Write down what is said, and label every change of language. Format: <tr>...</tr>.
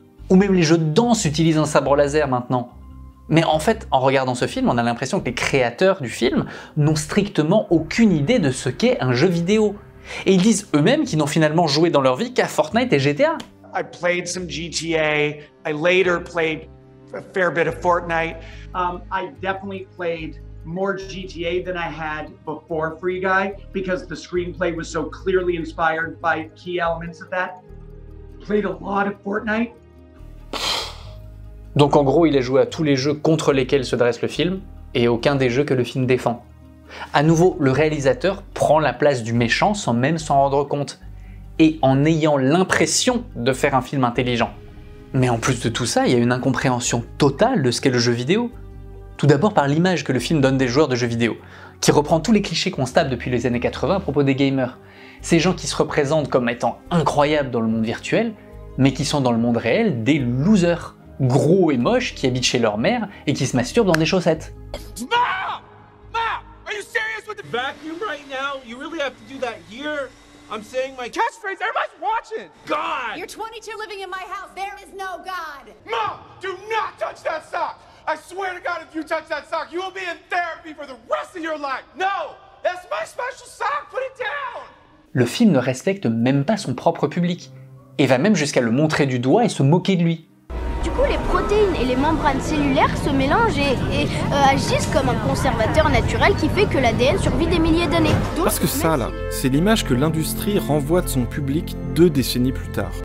<fr>Ou même les jeux de danse utilisent un sabre laser maintenant. Mais en fait, en regardant ce film, on a l'impression que les créateurs du film n'ont strictement aucune idée de ce qu'est un jeu vidéo. Et ils disent eux-mêmes qu'ils n'ont finalement joué dans leur vie qu'à Fortnite et GTA.</fr> <en>I played some GTA, I later played a fair bit of Fortnite. I definitely played more GTA than I had before Free Guy because the screenplay was so clearly inspired by key elements of that. Played a lot of Fortnite.</en> <fr>Donc en gros, il a joué à tous les jeux contre lesquels se dresse le film et aucun des jeux que le film défend. À nouveau, le réalisateur prend la place du méchant sans même s'en rendre compte et en ayant l'impression de faire un film intelligent. Mais en plus de tout ça, il y a une incompréhension totale de ce qu'est le jeu vidéo. Tout d'abord par l'image que le film donne des joueurs de jeux vidéo, qui reprend tous les clichés qu'on se tape depuis les années 80 à propos des gamers. Ces gens qui se représentent comme étant incroyables dans le monde virtuel, mais qui sont dans le monde réel des losers, gros et moches, qui habitent chez leur mère et qui se masturbent dans des chaussettes.</fr> <en>Mom! Mom! Are you serious with the vacuum right now? You really have to do that here? I'm saying my catchphrase, everybody's watching! God! You're 22 living in my house, there is no God! Mom! Do not touch that sock! I swear to God, if you touch that sock, you will be in therapy for the rest of your life! No! That's my special sock, put it down!</en> <fr>Le film ne respecte même pas son propre public, et va même jusqu'à le montrer du doigt et se moquer de lui. Du coup, les protéines et les membranes cellulaires se mélangent et agissent comme un conservateur naturel qui fait que l'ADN survit des milliers d'années. Donc, parce que ça, là, c'est l'image que l'industrie renvoie de son public deux décennies plus tard.</fr>